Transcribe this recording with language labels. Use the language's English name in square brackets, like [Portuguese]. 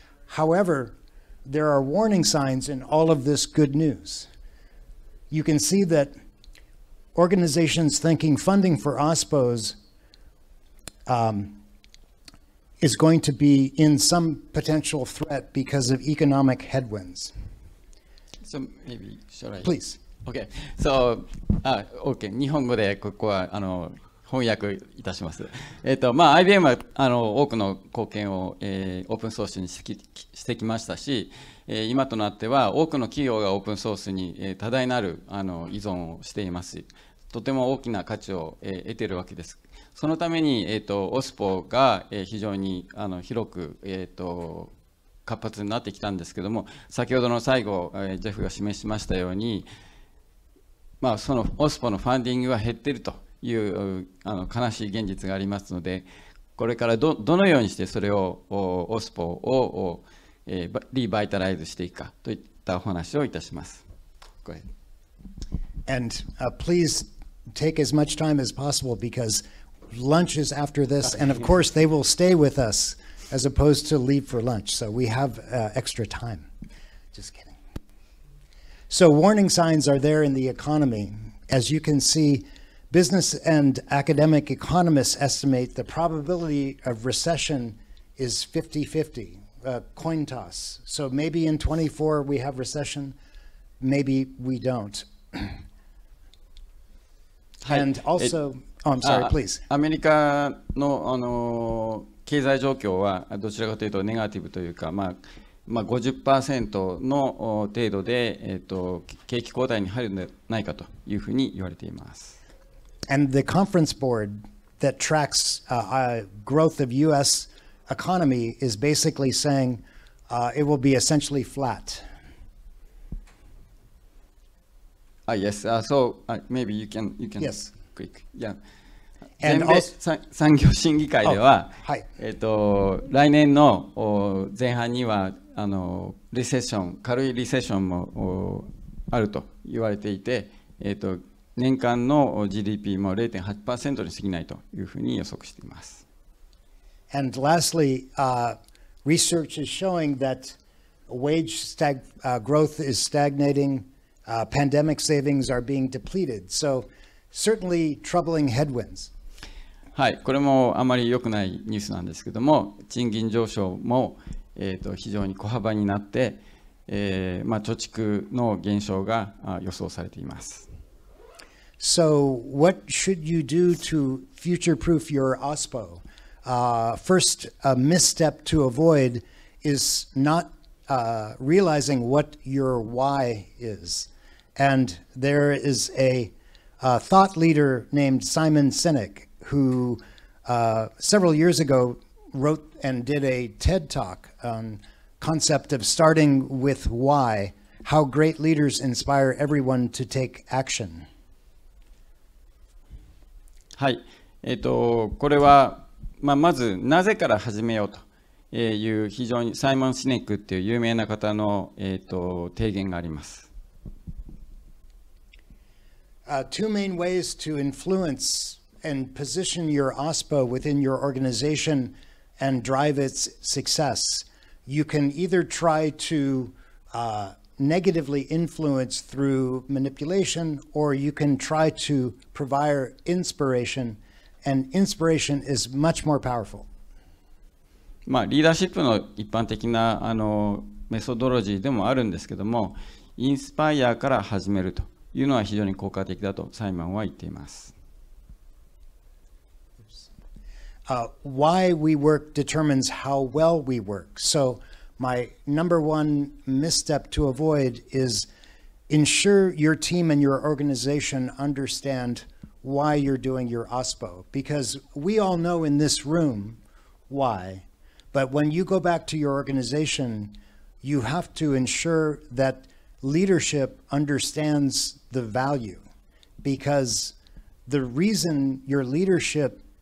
[English] However, there are warning signs in all of this good news. You can see that organizations thinking funding for OSPOs is going to be in some potential threat because of economic headwinds. So maybe, should I? Please. Okay, so, okay, [Japanese] 日本語でここは翻訳いたします。まあ、IBM は多くの貢献を、オープンソースにしてきましたし、今となっては多くの企業がオープンソースに、多大なる依存をしていますし、とても大きな価値を、得ているわけです。そのために、OSPO が、非常に広く、活発になってきたんですけども、先ほどの最後、ジェフが示しましたように、まあ、その OSPO のファンディングは減っているという悲しい現実がありますので、これから どのようにしてそれを OSPO を、リバイタライズしていくかといったお話をいたします。 [English] Go ahead. And、please take as much time as possible because lunch is after this and of course they will stay with us as opposed to leave for lunch, so we have、extra time. Just kiddingSo warning signs are there in the economy. As you can see, business and academic economists estimate the probability of recession is 50-50, a coin toss. So maybe in 24 we have recession, maybe we don't. And also, oh, I'm sorry, please. [Japanese] アメリカの経済状況はどちらかというとネガティブというか、まあまあ、50% の程度で、景気後退に入るのではないかというふうに言われています。 [English] And the conference board that tracks growth of US economy is basically saying it will be essentially flat. Yes, so maybe you can yes. quick. Yeah. [Japanese] 全米産業審議会では、来年の前半にはリセッション、軽いリセッションもあると言われていて、年間の GDP も 0.8% に過ぎないというふうに予測しています。 [English] And lastly, research is showing that wage growth is stagnating, pandemic savings are being depleted. So, certainly troubling headwinds. [Japanese] はい、これもあまり良くないニュースなんですけども、賃金上昇も、非常に小幅になって、まあ、貯蓄の減少が予想されています。 [English] So, what should you do to future-proof your OSPO? First, a misstep to avoid is not realizing what your why is. And there is a thought leader named Simon Sinek,who several years ago wrote and did a TED talk on concept of starting with why, how great leaders inspire everyone to take action. [Japanese] はい、これは、まあ、まずなぜから始めようという非常にサイモン・シネックっていう有名な方の、提言があります。 [English] Two main ways to influenceand position your OSPO within your organization and drive its success. You can either try to negatively influence through manipulation, or you can try to provide inspiration, and inspiration is much more powerful. [Japanese] まあ、リーダーシップの一般的なメソドロジーでもあるんですけども、インスパイアから始めるというのは非常に効果的だとサイモンは言っています。 [English] Why we work determines how well we work. So my number one misstep to avoid is ensure your team and your organization understand why you're doing your OSPO. Because we all know in this room why, but when you go back to your organization, you have to ensure that leadership understands the value. Because the reason your leadership